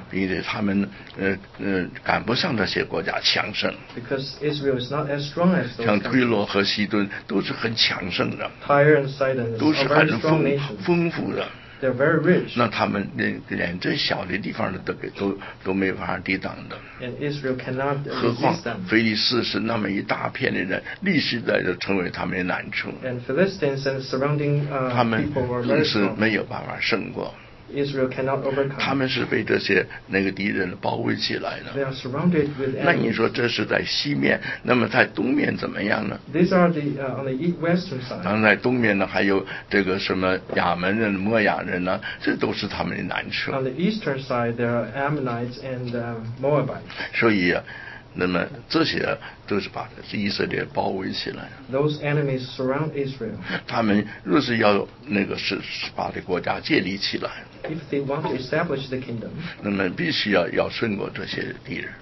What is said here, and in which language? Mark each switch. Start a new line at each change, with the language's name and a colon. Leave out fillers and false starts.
Chinese: 并且他们赶不上那些国家强盛。
English: Because Israel is not as strong as those.
Chinese: 像推罗和西顿都是很强盛的。
English: Tyre and Sidon.
Chinese: 都是很丰富的。
English: They're very rich.
Chinese: 那他们连最小的地方都没法抵挡的。
English: And Israel cannot resist them.
Chinese: 何况腓力斯是那么一大片的人，历史在就成为他们的难处。
English: And Philistines and surrounding people were very strong.
Chinese: 他们更是没有办法胜过。
English: Israel cannot overcome.
Chinese: 他们是被这些那个敌人包围起来的。
English: They are surrounded with enemies.
Chinese: 那你说这是在西面，那么在东面怎么样呢？
English: These are the, on the western side.
Chinese: 然后在东面呢，还有这个什么亚门人、摩亚人呢，这都是他们的难处。
English: On the eastern side, there are Ammonites and Moabites.
Chinese: 所以、啊，那么这些都是把以色列包围起来。
English: Those enemies surround Israel.
Chinese: 他们若是要那个是把这国家建立起来。
English: If they want to establish the kingdom,
Chinese: 那么必须 要胜过这些敌人。